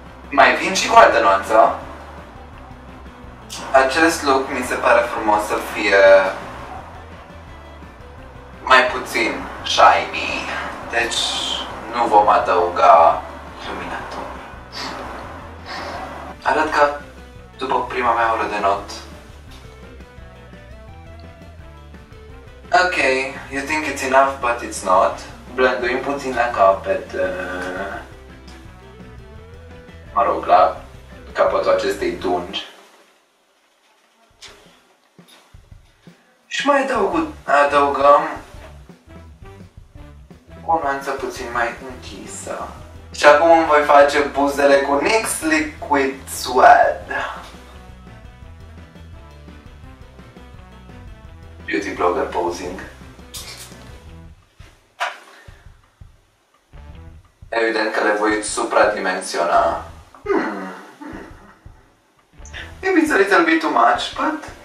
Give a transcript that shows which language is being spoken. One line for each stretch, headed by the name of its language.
Romanian: Mai vin și cu altă nuanță. Acest look mi se pare frumos să fie mai puțin shiny. Deci nu vom adăuga luminator. Arăt ca după prima mea oră de not.
English: Ok, you think it's enough, but it's not.
Romanian: Blenduim puțin la capet. Mă rog, la capătul acestei dungi. Și mai adăugăm o nuanță puțin mai închisă. Și acum îmi voi face buzele cu NYX Liquid Suede.
English: Beauty blogger posing.
Romanian: Evident că le voi supra-dimensiona.
English: Maybe it's a little bit too much, but...